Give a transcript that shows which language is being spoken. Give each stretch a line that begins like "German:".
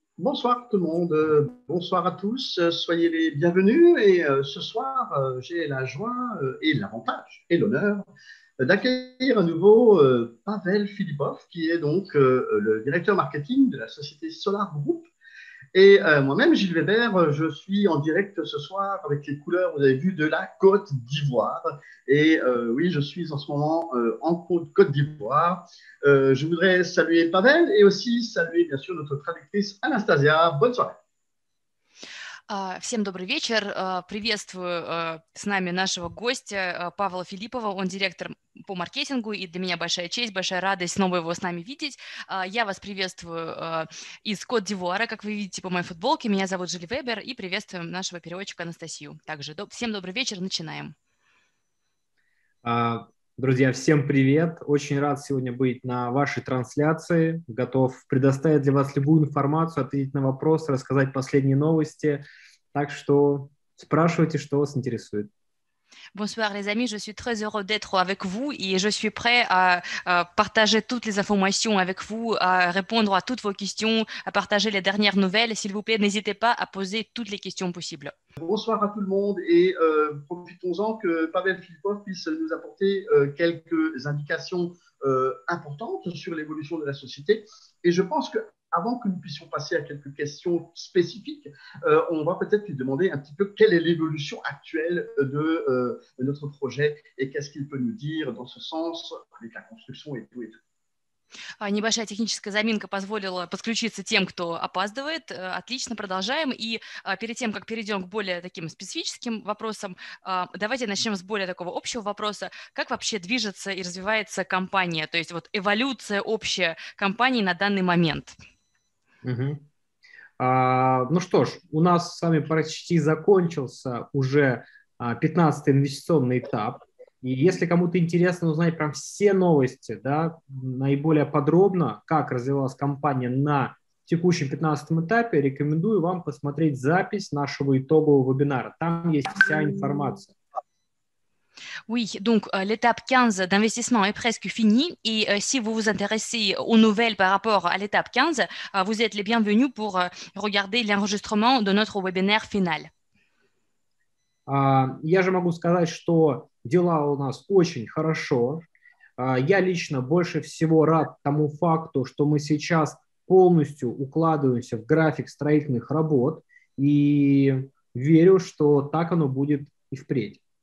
French: Bonsoir tout le monde, bonsoir à tous, soyez les bienvenus et ce soir j'ai la joie et l'avantage et l'honneur d'accueillir à nouveau Pavel Filipov qui est donc le directeur marketing de la société Solar Group et moi-même Gilles Weber, je suis en direct ce soir avec les couleurs, vous avez vu, de la Côte d'Ivoire et oui, je suis en ce moment en Côte d'Ivoire. Je voudrais saluer Pavel et aussi saluer bien sûr notre traductrice Anastasia. Bonne soirée.
Russian: Всем добрый вечер. Приветствую с нами нашего гостя Павла Филиппова. Он директор по маркетингу, и для меня большая честь, большая радость снова его с нами видеть. Я вас приветствую из Кот-д'Ивуара, как вы видите по моей футболке. Меня зовут Жюль Вебер, и приветствуем нашего переводчика Анастасию. Также всем добрый вечер, начинаем. Друзья, всем привет! Очень рад сегодня быть на вашей трансляции. Готов предоставить для вас любую информацию, ответить на вопросы, рассказать последние новости. Так что спрашивайте, что вас интересует.
French: Bonsoir les amis, je suis très heureux d'être avec vous et je suis prêt à partager toutes les informations avec vous, à répondre à toutes vos questions, à partager les dernières nouvelles. S'il vous plaît, n'hésitez pas à poser toutes les questions possibles. Bonsoir à tout le monde et profitons-en que Pavel Filipov puisse nous apporter quelques indications importantes sur l'évolution de la société. Et je pense que avant que nous puissions passer à quelques questions spécifiques, on va peut-être lui demander un petit peu quelle est l'évolution actuelle de notre projet et qu'est-ce qu'il peut nous dire dans ce sens avec la construction et tout et tout.
Russian: Небольшая техническая заминка позволила подключиться тем, кто опаздывает. Отлично, продолжаем. И перед тем, как перейдем к более таким специфическим вопросам, давайте начнем с более такого общего вопроса. Как вообще движется и развивается компания? То есть вот эволюция общая компании на данный момент. Ну что ж, у нас с вами почти закончился уже 15-й инвестиционный этап. И если кому-то интересно узнать прям все новости, да, наиболее подробно, как развивалась компания на текущем 15-м этапе, рекомендую вам посмотреть запись нашего итогового вебинара. Там есть вся информация.
French: Oui, donc l'étape 15 d'investissement est presque finie et si vous vous intéressez aux nouvelles par rapport à l'étape 15, vous êtes les bienvenus pour regarder l'enregistrement de notre webinaire final.
Russian: Я же могу сказать, что дела у нас очень хорошо. Я лично больше всего рад тому факту, что мы сейчас полностью укладываемся в график строительных работ и верю, что так оно будет и впредь.